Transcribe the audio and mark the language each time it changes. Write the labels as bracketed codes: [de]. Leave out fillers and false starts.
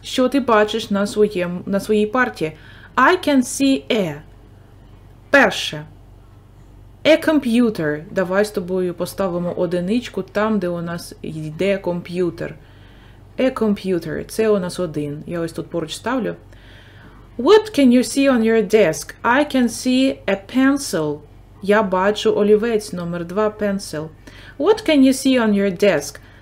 [uk] Що ти бачиш на своїй парті? [en] I can see a. [uk] Перше. [en] A computer. [uk] Давай з тобою поставимо одиничку там, де у нас йде комп'ютер. [en] A computer. [uk] Це у нас один. Я ось тут поруч ставлю. [en] What can you see on your desk? I can see a pencil. [uk] Я бачу олівець, номер два, pencil. [en] What can you see on your desk?